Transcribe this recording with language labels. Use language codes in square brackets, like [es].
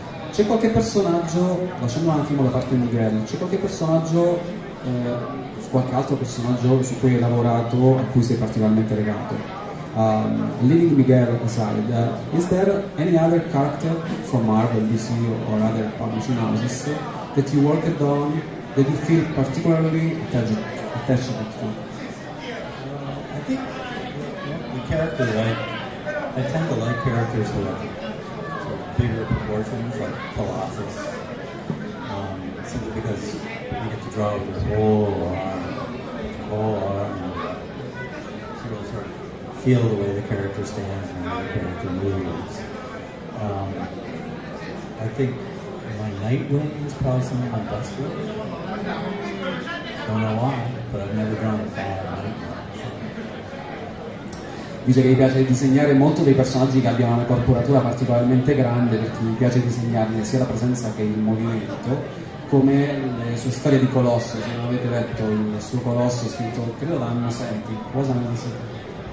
[it] C'è qualche personaggio, lasciamo un attimo la parte di Miguel, c'è qualche personaggio, qualche altro personaggio su cui hai lavorato, a cui sei particolarmente legato? [en] Leaving Miguel aside, is there any other character from Marvel, DC or other publishing houses that you worked on that you feel particularly attached to? I think the character that I tend to like characters who are bigger proportions, like Colossus, simply because you get to draw with his whole arm, and sort of feel the way the character stands and the way the character moves. I think my Nightwing is probably some of my best work. Don't know why, but I've never drawn a bad Nightwing. [it] Dice che gli piace disegnare molto dei personaggi che abbiano una corporatura particolarmente grande, perché gli piace disegnarne sia la presenza che il movimento, come le sue storie di Colosso. Se non avete letto il suo Colosso scritto, credo, da Anna Senti, cosa ne dice?